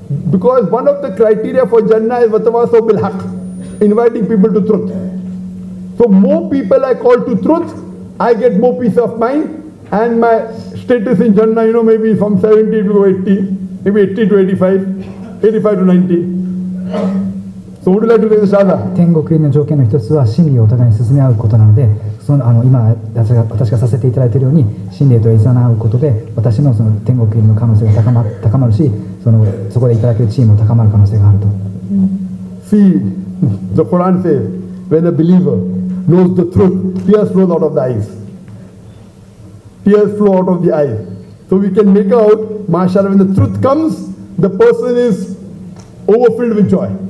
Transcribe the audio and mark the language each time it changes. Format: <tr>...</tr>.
<en>Because one of the criteria for Jannah is</en> <ar>watawasaw bil haq,</ar> <en>inviting people to truth. So more people I call to truth, I get more peace of mind. And my status in Jannah, you know, maybe from 70 to 80, maybe 80 to 85, 85 to 90. So would you like to take the shahada?</en> <ja>天国への条件の一つは真理をお互いに進め合うことなので、そのあの今私がさせていただいているように真理と誘うことで、私のその天国への可能性が高まるし、そのそこでいただける地位も高まる可能性があると。</ja> <en>See, the Quran says, when a believer knows the truth, tears flow out of the eyes. Tears flow out of the eyes. So we can make out, mashallah, when the truth comes, the person is overfilled with joy.</en>